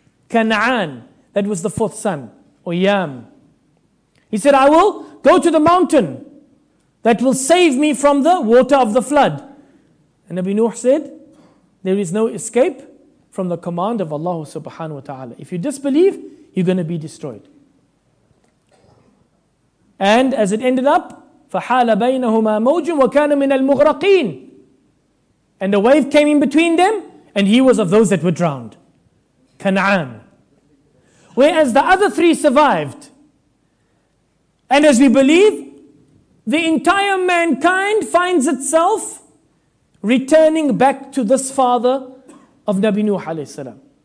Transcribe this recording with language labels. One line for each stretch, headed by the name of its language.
English: Kana'an, that was the fourth son, or Yam. He said, I will go to the mountain that will save me from the water of the flood. And Nabi Nuh said, there is no escape from the command of Allah subhanahu wa ta'ala. If you disbelieve, you're going to be destroyed. And as it ended up,
Arabic: فَحَالَ بَيْنَهُمَا مَوْجٌ وَكَانَ مِنَ الْمُغْرَقِينَ.
English: And a wave came in between them, and he was of those that were drowned. Kana'an. Whereas the other three survived. And as we believe, the entire mankind finds itself returning back to this father of Nabi Nuh alayhi salam.